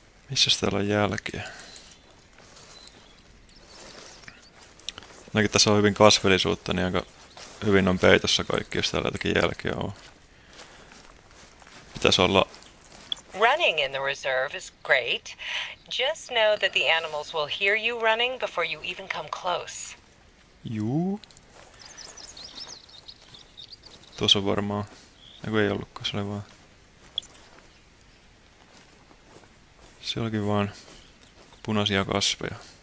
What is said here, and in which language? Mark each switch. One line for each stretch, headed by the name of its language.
Finnish: Missäs täällä on jälkiä? Näkin tässä on hyvin kasvillisuutta, niin aika hyvin on peitossa kaikki, jos täällä jotakin jälkiä on.
English: Running in the reserve is great. Just know that the animals will hear you running before you even come close.
Finnish: Juu. Tuossa on varmaan. Eiku ei ollutkaan, se oli vaan. Siellä onkin vaan punaisia kasveja.